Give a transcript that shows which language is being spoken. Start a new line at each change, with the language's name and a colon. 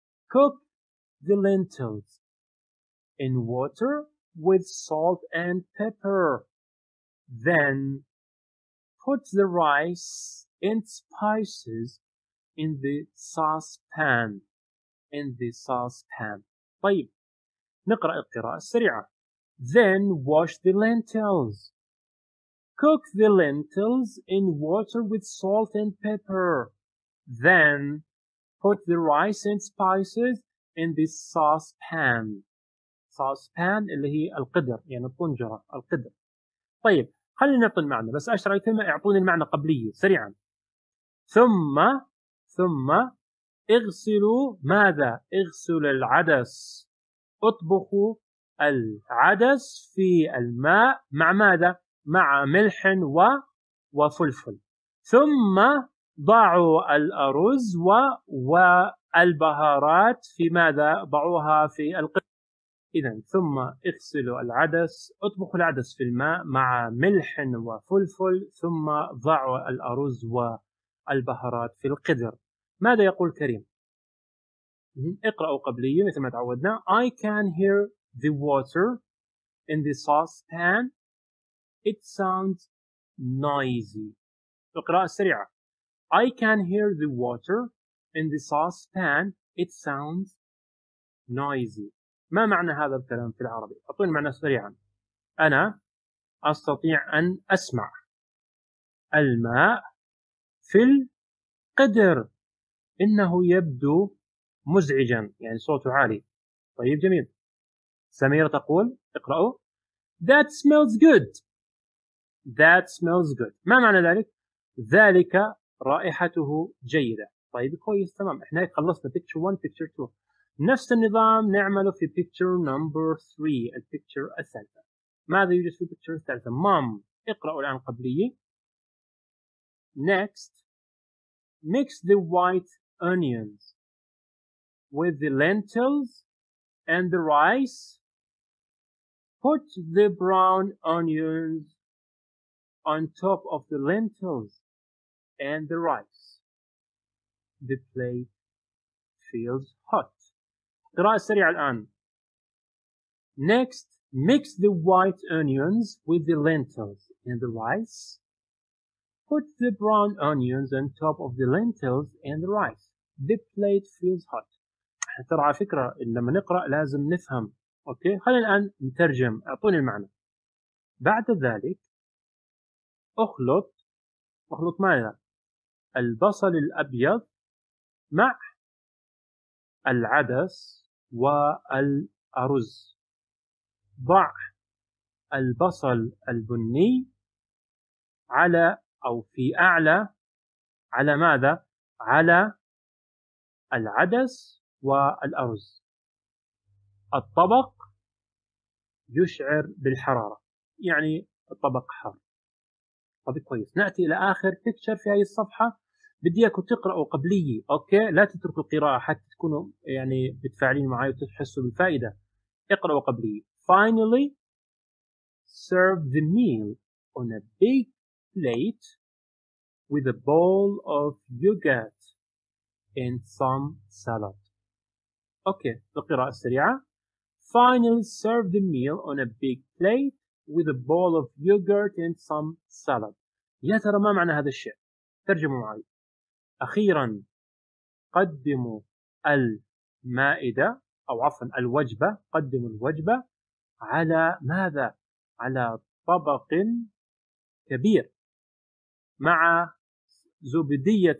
English: Cook the lentils in water with salt and pepper. Then put the rice and spices in the saucepan. In the saucepan.
Arabic: طيب نقرأ القراءة السريعة.
English: Then wash the lentils. Cook the lentils in water with salt and pepper. Then put the rice and spices in the saucepan.
Arabic: Saucepan اللي هي القدر يعني الطنجرة القدر. طيب خلينا نعطي المعنى بس أشرح ثم أعطوني المعنى قبلية سريعا. ثم اغسلوا ماذا؟ اغسل العدس. اطبخوا العدس في الماء مع ماذا؟ مع ملح وفلفل. ثم ضعوا الأرز والبهارات في ماذا؟ ضعوها في القدر. إذن ثم اغسلوا العدس، اطبخوا العدس في الماء مع ملح وفلفل، ثم ضعوا الأرز والبهارات في القدر. ماذا يقول كريم؟ اقرأوا قبلية مثل ما تعودنا.
English: I can hear the water in the saucepan. It sounds noisy.
Arabic: القراءة السريعة.
English: I can hear the water in the saucepan. It sounds noisy.
Arabic: ما معنى هذا الكلام في العربي؟ أعطوني معنى سريعا. أنا أستطيع أن أسمع الماء في القدر. إنه يبدو مزعجا يعني صوته عالي. طيب جميل. سميرة تقول اقرأوا.
English: That smells good. That smells good.
Arabic: ما معنى ذلك؟ ذلك رائحته جيدة. طيب كويس تمام. احنا خلصنا picture 1 picture 2. نفس النظام نعمله في picture number 3 الpicture الثالثة. ماذا يوجد في picture الثالثة؟ Mom اقرأوا الآن قبلية.
English: Next mix the white onions with the lentils and the rice, put the brown onions on top of the lentils and the rice. The plate feels hot.
Arabic: قراءة سريعة الآن.
English: Next, mix the white onions with the lentils and the rice. Put the brown onions on top of the lentils and the rice. The plate feels hot.
Arabic: ترى على فكرة إن لما نقرأ لازم نفهم. أوكي خلينا الآن نترجم. أعطوني المعنى. بعد ذلك أخلط ماذا؟ البصل الأبيض مع العدس والأرز. ضع البصل البني على أو في أعلى على ماذا؟ على العدس والأرز. الطبق يشعر بالحرارة يعني الطبق حار. طيب كويس. نأتي إلى آخر picture في هاي الصفحة. بدي أكو تقرأوا قبلي. أوكي لا تتركوا القراءة حتى تكونوا يعني بتفاعلين معي وتحسوا بالفائدة. اقرأوا قبلي.
English: Finally serve the meal on a big plate with a bowl of yogurt and some salad.
Arabic: أوكي القراءة السريعة.
English: Finally serve the meal on a big plate with a bowl of yogurt and some salad.
Arabic: يا ترى ما معنى هذا الشيء؟ ترجموا معي. أخيرا قدموا المائدة أو عفوا الوجبة. قدموا الوجبة على ماذا؟ على طبق كبير مع زبدية.